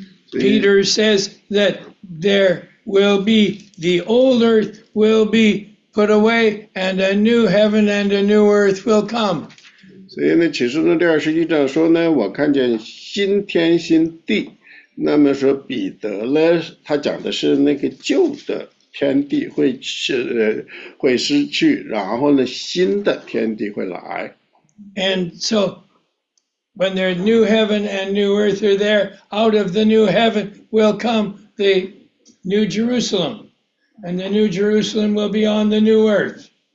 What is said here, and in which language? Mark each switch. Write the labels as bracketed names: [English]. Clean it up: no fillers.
[English] Peter says that there will be, the old earth will be put away, and a new heaven and a new earth will come. [Chinese] 所以呢，启示录第21章说呢，我看见新天新地。那么说彼得呢，他讲的是那个旧的天地会失去，然后呢，新的天地会来。 [English] And so, when there new heaven and new earth are there, out of the new heaven will come the New Jerusalem, and the New Jerusalem will be on the new earth.